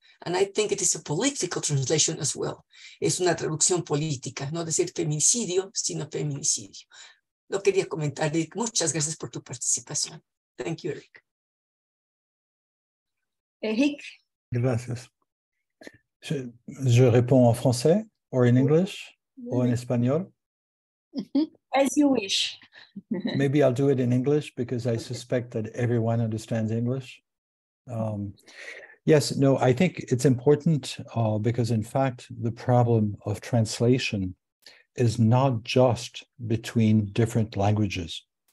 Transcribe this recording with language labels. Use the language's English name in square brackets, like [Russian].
[English] And I think it is a political translation as well. [Spanish] Es una traducción política, no decir feminicidio, sino feminicidio. Lo quería comentar, Eric. Muchas gracias por tu participación. [English] Thank you, Eric. [Spanish] Eric. Gracias. [French] Je réponds en français, [English] or in English, or in espagnol. As you wish. Maybe I'll do it in English because I suspect that everyone understands English. I think it's important because in fact, the problem of translation is not just between different languages.